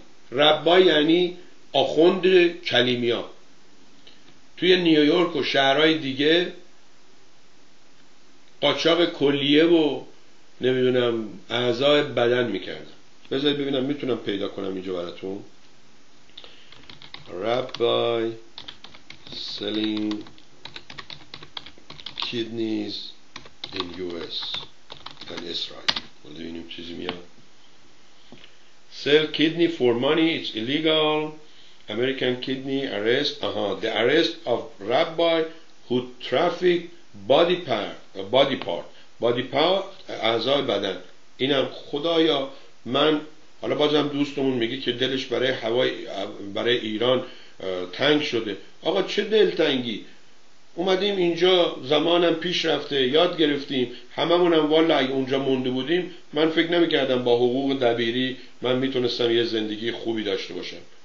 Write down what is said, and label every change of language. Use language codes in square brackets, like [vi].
[fa] ربای یعنی آخوند کلیمیا توی نیویورک و شهرهای دیگه قاچاق کلیه و نمیدونم اعضای بدن میکردن. بذارید ببینم میتونم پیدا کنم اینجا براتون. [en] Rabbi selling kidneys in U S in Israel. [fa] ببینیم چیزی میاد. [en] Sell kidney for money, it's illegal. American kidney arrest. The arrest of rabbi who trafficked body part body power [fa] اعضای بدن. اینم خدایا من حالا بازم دوستمون میگه که دلش برای هوای برای ایران تنگ شده. آقا چه دلتنگی، اومدیم اینجا زمانم پیش رفته، یاد گرفتیم هممونم، والا اگه اونجا مونده بودیم من فکر نمیکردم با حقوق دبیری من میتونستم یه زندگی خوبی داشته باشم.